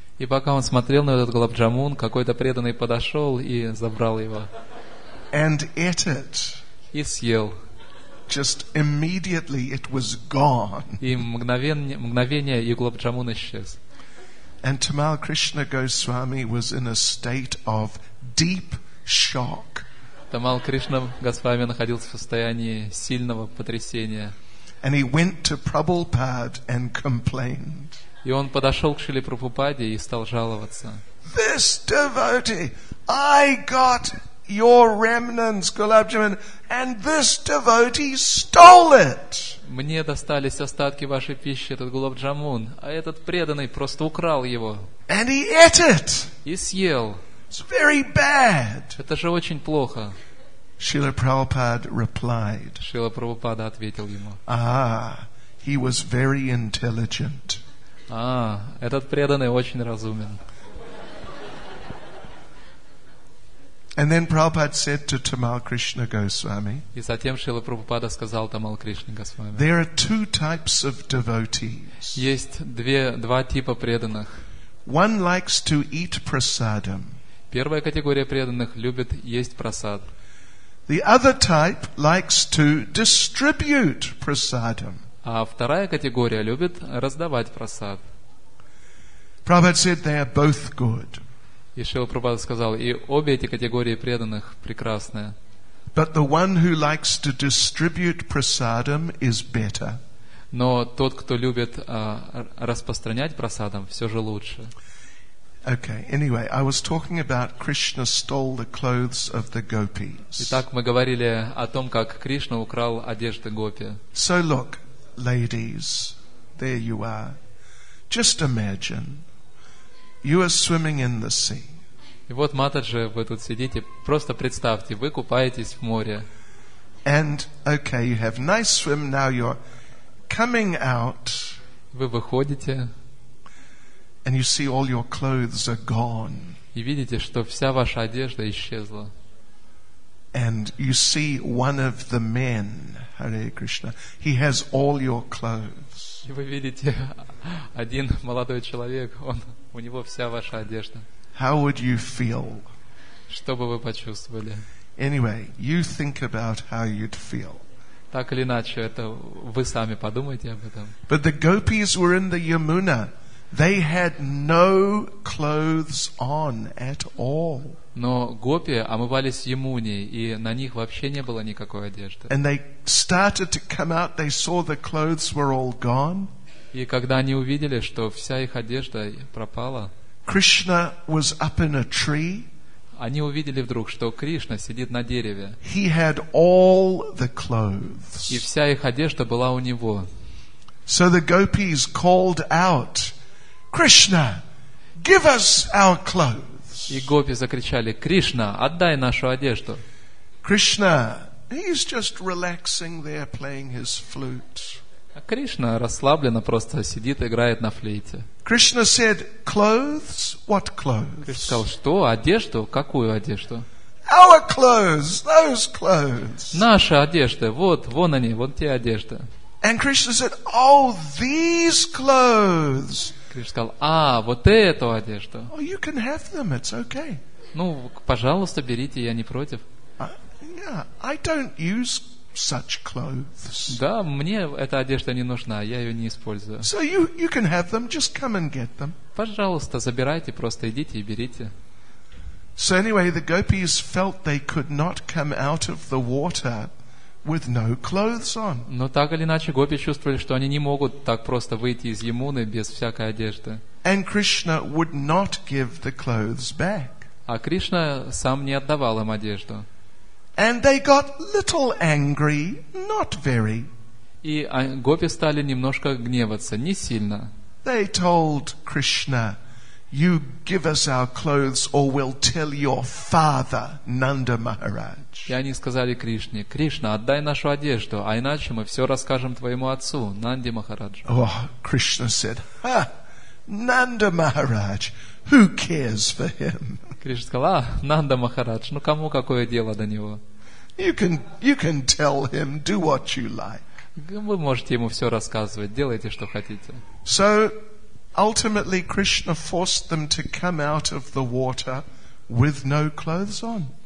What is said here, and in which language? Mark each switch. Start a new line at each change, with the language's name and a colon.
Russian: И пока он смотрел на этот гулаб джамун, какой-то преданный подошел и забрал его.
English: And ate it.
Russian: И съел.
English: Just immediately it was gone.
Russian: И мгновение и гулаб джамун исчез.
English: And Tamal Krishna Goswami was in a state of deep shock.
Russian: Тамал Кришна Госвами находился в состоянии сильного потрясения.
English: And he went to Prabhupada and complained.
Russian: И он подошел к Шриле Прабхупаде и стал жаловаться.
English: This devotee, I got your remnants, gulab jamun, and this devotee stole it.
Russian: Мне достались остатки вашей пищи, этот гулаб джамун, а этот преданный просто украл его.
English: And he ate it.
Russian: И съел.
English: It's very bad.
Russian: Это же очень плохо.
English: Шрила Прабхупада replied.
Russian: Шрила Прабхупада ответил ему.
English: Ah, he was very intelligent.
Russian: А, этот преданный очень разумен.
English: And then Prabhupada said to Tamal Krishna Goswami.
Russian: И затем Шрила Прабхупада сказал Тамал Кришне Госвами.
English: There are two types of devotees.
Russian: Есть два типа преданных.
English: One likes to eat prasadam.
Russian: Первая категория преданных любит есть прасад.
English: The other type likes to distribute prasadam.
Russian: А вторая категория любит раздавать прасад.
English: Prabhupada said they are both good.
Russian: И Шрила Прабхупада сказал, и обе эти категории преданных прекрасны.
English: But the one who likes to distribute prasadam is better.
Russian: Но тот, кто любит распространять прасадам, все же лучше.
English: Okay, anyway, I was talking about Krishna stole the clothes of the gopis.
Russian: Итак, мы говорили о том, как Кришна украл одежды гопи.
English: So look, ladies, there you are. Just imagine, you are swimming in the sea.
Russian: И вот, Матаджи, вы тут сидите, просто представьте, вы купаетесь в море.
English: And, okay, you have nice swim, now you're coming out.
Russian: Вы выходите.
English: And you see all your clothes are gone.
Russian: И видите, что вся ваша одежда исчезла.
English: And you see one of the men, Hare Krishna, he has all your clothes.
Russian: И вы видите, один молодой человек, он, у него вся ваша одежда.
English: How would you feel?
Russian: Что бы вы почувствовали?
English: Anyway, you think about how you'd feel.
Russian: Так или иначе, это вы сами подумайте об этом.
English: But the gopis were in the Yamuna. They had no clothes on at all.
Russian: Но гопи омывались в Ямуне, и на них вообще не было никакой одежды.
English: And they started to come out, they saw the clothes were all gone.
Russian: И когда они увидели, что вся их одежда пропала,
English: Krishna was up in a tree.
Russian: Они увидели вдруг, что Кришна сидит на дереве.
English: He had all the clothes.
Russian: И вся их одежда была у него.
English: So the gopis called out, Krishna, give us our clothes.
Russian: И гопи закричали: Кришна, отдай нашу одежду.
English: Krishna, he's just relaxing there, playing his flute.
Russian: А Кришна расслабленно просто сидит, играет на флейте.
English: Krishna said, clothes? What clothes?
Russian: Кришна сказал: что, одежду? Какую одежду?
English: Our clothes, those clothes.
Russian: Наши одежды, вот, вон они, вот те одежды.
English: And Krishna said, oh, these clothes.
Russian: Кришна сказал: а, вот эту одежду.
English: Oh, you can have them, it's okay.
Russian: Ну, пожалуйста, берите, я не против.
English: I don't use such clothes.
Russian: Да, мне эта одежда не нужна, я ее не использую.
English: So you can have them, just come and get them.
Russian: Пожалуйста, забирайте, просто идите и берите.
English: So anyway, the gopis felt they could not come out of the water with no clothes on.
Russian: Но так или иначе гопи чувствовали, что они не могут так просто выйти из Ямуны без всякой одежды.
English: And Krishna would not give the clothes back.
Russian: А Кришна сам не отдавал им одежду.
English: And they got little angry, not very.
Russian: И гопи стали немножко гневаться, не сильно.
English: They told Krishna, "You give us our clothes, or we'll tell your father, Nanda Maharaj."
Russian: И они сказали Кришне: Кришна, отдай нашу одежду, а иначе мы все расскажем твоему отцу, Нанди Махараджу.
English: Oh, Krishna said, "Ha, Nanda Maharaj, who cares for him?"
Russian: Кришна сказал: а, Нанда Махарадж, ну кому какое дело до него?
English: You can tell him, do what you like.
Russian: Вы можете ему все рассказывать, делайте, что хотите.
English: So, ultimately, Krishna forced them to come out of the water with no clothes on.